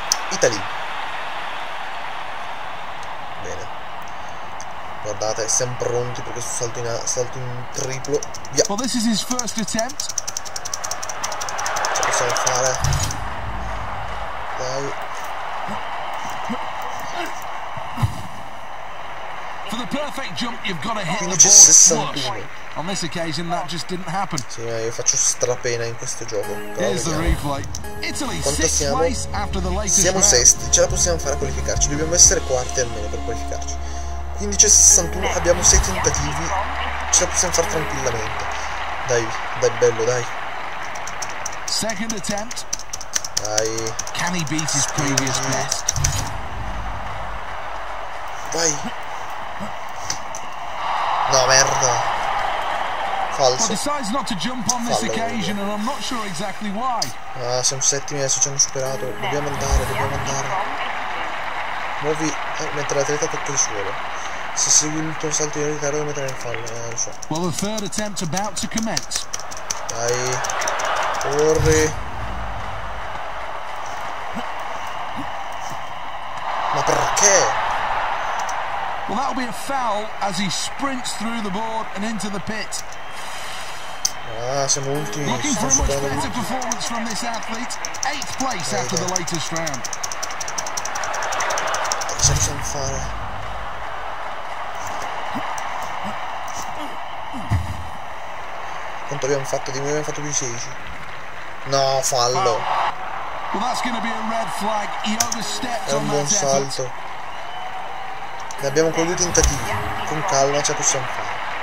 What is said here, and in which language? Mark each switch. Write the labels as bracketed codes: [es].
[en] Italy. [it] Guardate, siamo pronti per questo salto in triplo. Via. [en] Well, this is his first attempt. [it] Ce la possiamo fare. Dai. [en] For the perfect jump, you've got to hit the ball. 61. On this occasion, that just didn't happen. [it] Sì, io faccio strapena in questo gioco. [en] Here's the replay. Italy, sixth place after the latest. [it] Siamo sesti, ce la possiamo fare a qualificarci. Dobbiamo essere quarti almeno per qualificarci. 15:61, abbiamo 6 tentativi, ce la possiamo fare tranquillamente. Dai, dai, bello, dai. [en] Second attempt. [it] Dai. [en] Can he beat his previous best? [it] Dai. No, merda. Falso. [en] Decides not to jump on this occasion and I'm not sure exactly why. [it] Ah, siamo settimi adesso, ci hanno superato. Dobbiamo andare, dobbiamo andare. Muovi mentre l'atleta tocca il suolo. Se segui il tuo salto in ritardo, lo metterai in fallo, non lo so. [en] Well, the third attempt about to commence. [it] Dai, corri. Ma perché? [en] Well, that'll be a foul as he sprints through the board and into the pit. [it] Ah, siamo ultimi. [en] Looking for a much better performance from this athlete. Eighth place after the latest round. [it] Cosa possiamo fare? Quanto abbiamo fatto? Di me abbiamo fatto più 16. No, fallo. [en] Well, that's gonna be a red flag. He overstepped. [it] È un buon salto. Ne abbiamo ancora due tentativi. Con calma ce la possiamo fare.